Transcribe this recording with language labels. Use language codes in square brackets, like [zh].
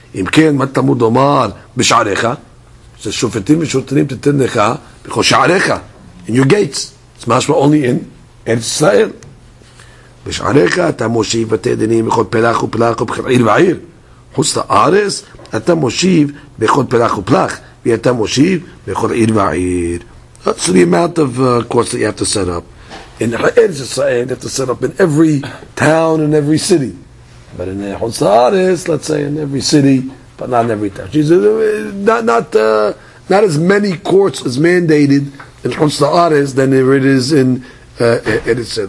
[he] אם כן, מה תמוד לומר בשעריך? זה שופטים ושוטרים תתן לך בכל שעריך. [en] In your gates. It's much more only in ארץ ישראל. [he] בשעריך אתה מושיב בתי דינים בכל פלח ופלח ובכל עיר ועיר. חוץ לארץ אתה מושיב בכל פלח ופלח. ואתה מושיב בכל עיר ועיר. [en] That's the amount of course that you have to set up. In ארץ ישראל, you have to set up in every town and every city. But in the Chutz La'aretz, let's say in every city, but not in every town. She says, not as many courts as mandated in Chutz La'aretz than there it is in Eretz Yisrael.